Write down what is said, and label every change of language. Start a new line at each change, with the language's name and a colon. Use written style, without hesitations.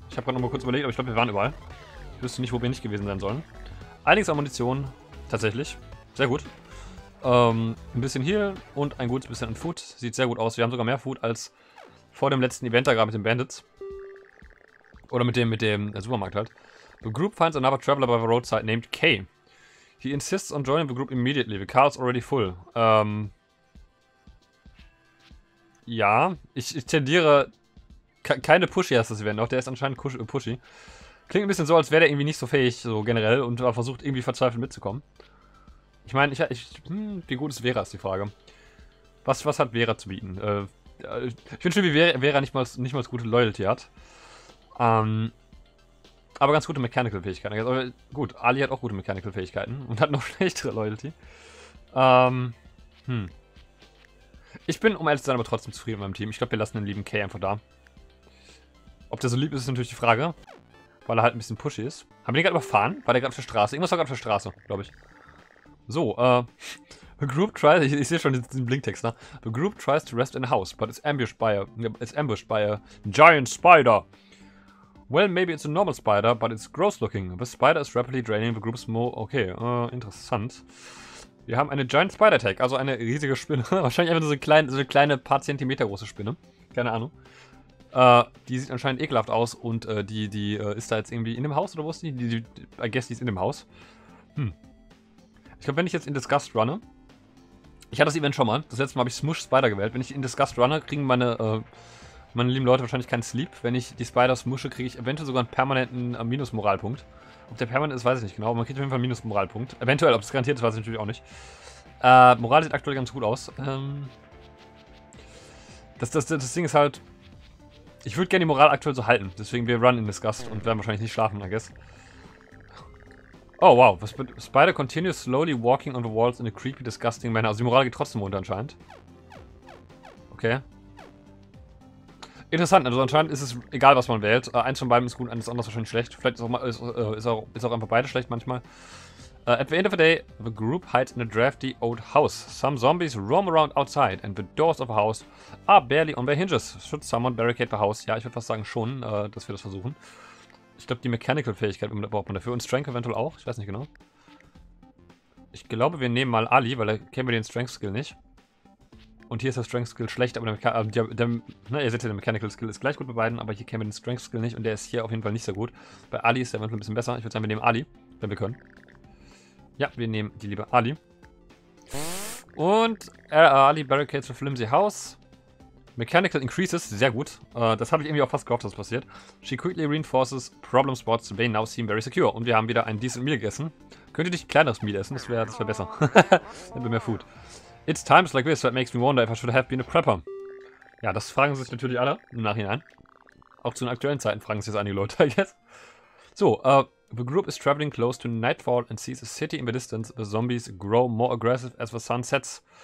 German: Ich habe gerade noch mal kurz überlegt, aber ich glaube, wir waren überall. Ich wüsste nicht, wo wir nicht gewesen sein sollen. Einiges an Munition, tatsächlich. Sehr gut. Ein bisschen Heal und ein gutes bisschen an Food. Sieht sehr gut aus. Wir haben sogar mehr Food als vor dem letzten Event da gerade mit den Bandits. Oder mit dem Supermarkt halt.
English: The group finds another traveler by the roadside named Kay. He insists on joining the group immediately. The car is already full.
German: Ja, ich tendiere. Keine Pushy heißt das Event noch, der ist anscheinend Pushy. Klingt ein bisschen so, als wäre der irgendwie nicht so fähig, so generell, und versucht irgendwie verzweifelt mitzukommen. Ich meine, wie gut ist Vera, ist die Frage. Was hat Vera zu bieten? Ich finde schon, wie Vera nicht mal gute Loyalty hat. Aber ganz gute Mechanical-Fähigkeiten. Also, gut, Ali hat auch gute Mechanical-Fähigkeiten und hat noch schlechtere Loyalty. Ich bin, um ehrlich zu sein, aber trotzdem zufrieden mit meinem Team. Ich glaube, wir lassen den lieben Kay einfach da. Ob der so lieb ist, ist natürlich die Frage. Weil er halt ein bisschen pushy ist. Haben wir den gerade überfahren? War der gerade auf der Straße? Irgendwas war gerade auf der Straße, glaube ich. So, The group tries... Ich sehe schon diesen Blinktext, ne?
English: The group tries to rest in a house, but it's ambushed by a giant spider. Well, maybe it's a normal spider, but it's gross looking. The spider is rapidly draining the group's mo...
German: Okay, interessant. Wir haben eine Giant Spider Attack, also eine riesige Spinne. Wahrscheinlich einfach nur so eine kleine paar Zentimeter große Spinne. Keine Ahnung. Die sieht anscheinend ekelhaft aus und die ist da jetzt irgendwie in dem Haus oder wo ist die? I guess die ist in dem Haus. Ich glaube, wenn ich jetzt in Disgust runne. Ich hatte das Event schon mal. Das letzte Mal habe ich Smush Spider gewählt. Wenn ich in Disgust runne, kriegen meine lieben Leute wahrscheinlich keinen Sleep. Wenn ich die Spider smushe, kriege ich eventuell sogar einen permanenten Minus-Moralpunkt. Ob der permanent ist, weiß ich nicht genau, aber man kriegt auf jeden Fall einen Minus-Moralpunkt. Eventuell, ob es garantiert ist, weiß ich natürlich auch nicht. Moral sieht aktuell ganz gut aus. Das Ding ist halt, ich würde gerne die Moral aktuell so halten. Deswegen wir run in Disgust und werden wahrscheinlich nicht schlafen, I guess.
English: Oh, wow. Spider continues slowly walking on the walls in a creepy, disgusting manner.
German: Also die Moral geht trotzdem runter anscheinend. Okay. Interessant, also anscheinend ist es egal, was man wählt. Eins von beiden ist gut, eins ist anders wahrscheinlich schlecht. Vielleicht ist auch einfach beide schlecht manchmal.
English: At the end of the day, the group hides in a drafty old house. Some zombies roam around outside and the doors of the house are barely on their hinges. Should someone barricade the house?
German: Ja, ich würde fast sagen schon, dass wir das versuchen. Ich glaube, die Mechanical-Fähigkeit braucht man dafür. Und Strength eventuell auch. Ich weiß nicht genau. Ich glaube, wir nehmen mal Ali, weil da kennen wir den Strength-Skill nicht. Und hier ist der Strength-Skill schlecht, aber ihr seht ja, der Mechanical-Skill ist gleich gut bei beiden, aber hier kennen wir den Strength-Skill nicht und der ist hier auf jeden Fall nicht so gut. Bei Ali ist der eventuell ein bisschen besser. Ich würde sagen, wir nehmen Ali, wenn wir können. Ja, wir nehmen die liebe Ali.
English: Und Ali barricades the flimsy house. Mechanical increases, sehr gut.
German: Das habe ich irgendwie auch fast gehofft, dass das passiert.
English: She quickly reinforces problem spots, they now seem very secure.
German: Und wir haben wieder ein decent Meal gegessen. Könnt ihr nicht ein kleineres Meal essen? Das wär besser. Dann mehr Food.
English: It's times like this that makes me wonder if I should have been a prepper.
German: Ja, das fragen sich natürlich alle im Nachhinein. Auch zu den aktuellen Zeiten fragen sich jetzt einige Leute, I guess.
English: So, the group is traveling close to nightfall and sees a city in the distance. The zombies grow more aggressive as the sun sets.